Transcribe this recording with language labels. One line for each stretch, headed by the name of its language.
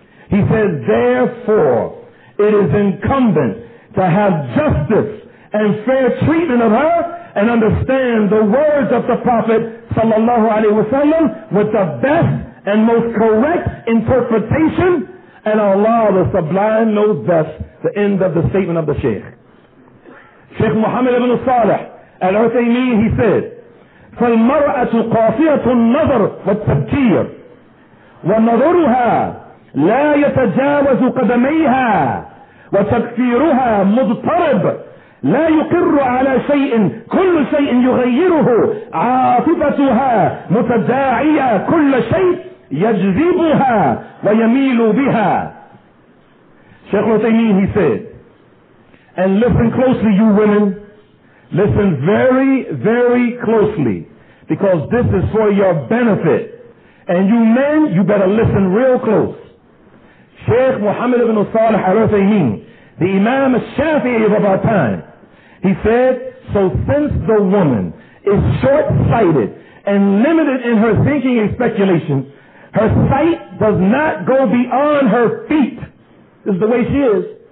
English: He says, therefore, it is incumbent to have justice and fair treatment of her and understand the words of the Prophet sallallahu alaihi wasallam with the best and most correct interpretation, and Allah the Sublime knows best. The end of the statement of the Shaykh. Shaykh Muhammad ibn Salih al-Uthaymeen, he said,
Arabic: فالمرأة قاسية النظر والتبكير ونظرها لا يتجاوز قدميها وتكفيرها مضطرب لا يقر على شيء كل شيء يغيره عاطفتها متداعية كل شيء يجذبها ويميل بها.
English: Sheikh Uthaymeen, he said, and listen closely, you women, listen very, very closely, because this is for your benefit. And you men, you better listen real close. Sheikh Muhammad ibn Salih al-Uthaymeen, the Imam al-Shafi'i of our time, he said, so since the woman is short-sighted and limited in her thinking and speculation, her sight does not go beyond her feet. This is the way she is.